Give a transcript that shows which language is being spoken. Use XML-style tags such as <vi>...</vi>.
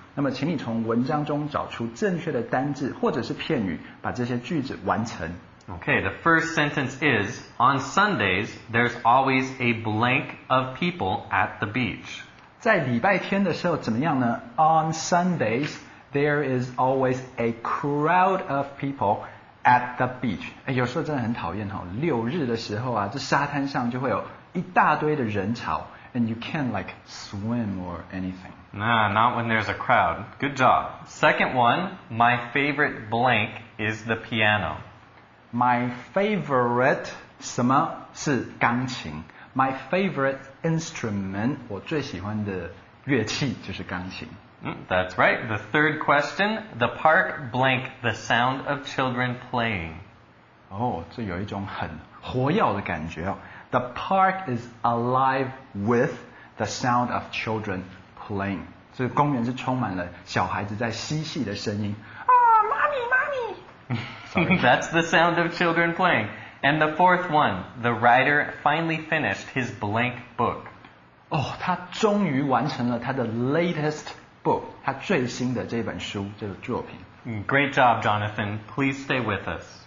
<zh>那么请你从文章中找出正确的单字或者是片语，把这些句子完成。</zh> <en>Okay, the first sentence is, on Sundays, there's always a blank of people at the beach.</en> <zh>在礼拜天的时候怎么样呢</zh> <en>On Sundays, there is always a crowd of people at the beach.</en> <zh>有时候真的很讨厌、哦、六日的时候啊这沙滩上就会有一大堆的人潮</zh> <en>and you can't like swim or anything. Nah, not when there's a crowd. Good job. Second one, my favorite blank is the piano. My favorite</en> <zh>什么是钢琴</zh> <en>My favorite instrument,</en> <zh>我最喜欢的乐器就是钢琴。</zh> <en>That's right. The third question, the park blank the sound of children playing.</en> <zh>哦、oh, ，这有一种很活跃的感觉。</zh> <en>The park is alive with the sound of children playing.</en> <zh>这个公园是充满了小孩子在嬉戏的声音。啊、oh, ，妈咪，妈咪。</zh> <en>That's the sound of children playing. And the fourth one, the writer finally finished his blank book.</en> <zh>Oh, 他终于完成了他的</zh> <en>latest book,</en> <zh>他最新的这本书这个作品。</zh> <en>Great job, Jonathan. Please stay with us.</en>